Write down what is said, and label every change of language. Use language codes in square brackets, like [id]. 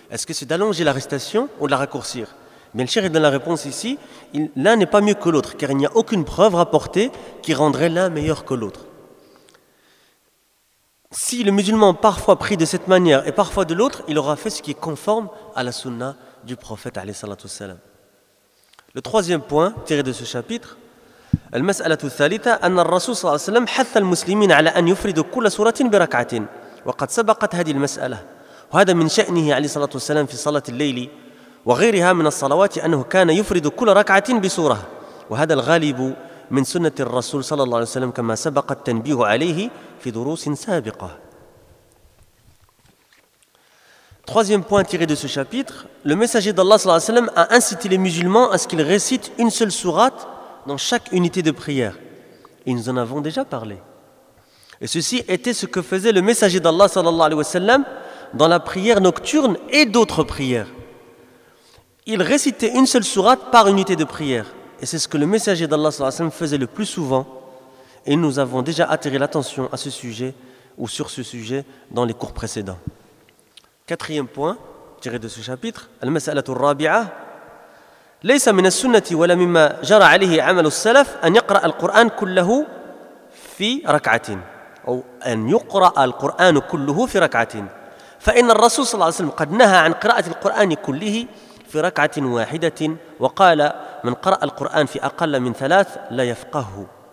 [fr] Est-ce que c'est d'allonger la récitation ou de la raccourcir? Bien, le cheikh donne la réponse ici. L'un n'est pas mieux que l'autre, car il n'y a aucune preuve rapportée qui rendrait l'un meilleur que l'autre. Si le musulman parfois prie de cette manière et parfois de l'autre, il aura fait ce qui est conforme à la sunna du prophète, alayhi salatu wassalam. Le troisième point tiré de ce chapitre, [ar] المسألة الثالثة أن الرسول صلى الله عليه وسلم حث المسلمين على أن يفردوا كل سورة بركعة وقد سبقت هذه المسألة وهذا من شأنه عليه الصلاة والسلام في صلاة الليل وغيرها من الصلوات أنه كان يفرد كل ركعة بسورة وهذا الغالب من سنة الرسول صلى الله عليه وسلم كما سبق التنبيه عليه في دروس سابقة. [fr] Troisième point tiré de ce chapitre, le messager d'Allah [ar] صلى الله عليه وسلم [fr] a incité les musulmans à ce qu'ils récitent une seule sourate dans chaque unité de prière. Et nous en avons déjà parlé. Et ceci était ce que faisait le messager d'Allah sallallahu alayhi wa sallam dans la prière nocturne et d'autres prières. Il récitait une seule sourate par unité de prière. Et c'est ce que le messager d'Allah sallallahu alayhi wa sallam faisait le plus souvent. Et nous avons déjà attiré l'attention à ce sujet ou sur ce sujet dans les cours précédents. Quatrième point tiré de ce chapitre, [ar] al-mas'alatu al-rabi'a. ليس من السنة ولا مما جرى عليه عمل السلف أن يقرأ القرآن كله في ركعة أو أن يقرأ القرآن كله في ركعة فإن الرسول صلى الله عليه وسلم قد نهى عن قراءة القرآن كله في ركعة واحدة وقال من قرأ القرآن في أقل من ثلاث لا يفقهه